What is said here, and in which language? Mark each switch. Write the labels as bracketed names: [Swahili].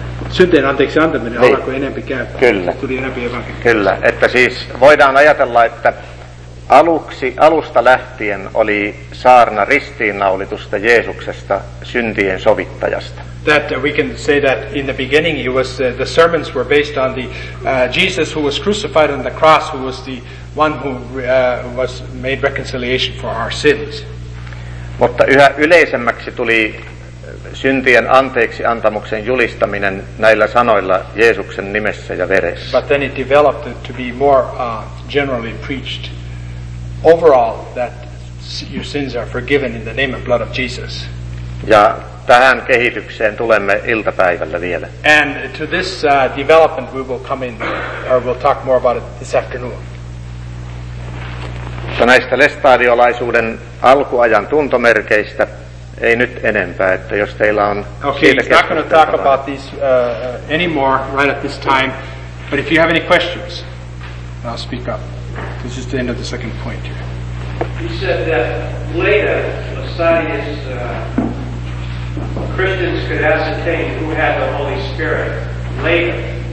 [Finnish] Synteen anteeksi antaminen alkoi enempi käyttää. Kyllä. Tuli enempi evankeliumia. Kyllä. Että siis voidaan ajatella, että alusta lähtien oli saarna ristiinnaulitusta Jeesuksesta, syntien sovittajasta. [English] That we can say that in the beginning it was the sermons were based on the Jesus who was crucified on the cross, who was the one who was made reconciliation for our sins. [Finnish] Mutta yhä yleisemmäksi tuli syntien anteeksi antamuksen julistaminen näillä sanoilla Jeesuksen nimessä ja veressä. [English] But then it developed to be more generally preached overall that your sins are forgiven in the name and blood of Jesus. [Finnish] Ja tähän kehitykseen tulemme iltapäivällä vielä. [English] And to this development we will come in or we'll talk more about it this afternoon. [Finnish] Näistä lestadiolaisuuden alkuajan tuntomerkeistä ei nyt enempää, että jos teillä on siitä [English] Okay, he's not going to talk about these anymore right at this time, but if you have any questions, I'll speak up. This is the end of the second point here. He said that later, Lestadius, Christians could ascertain who had the Holy Spirit later.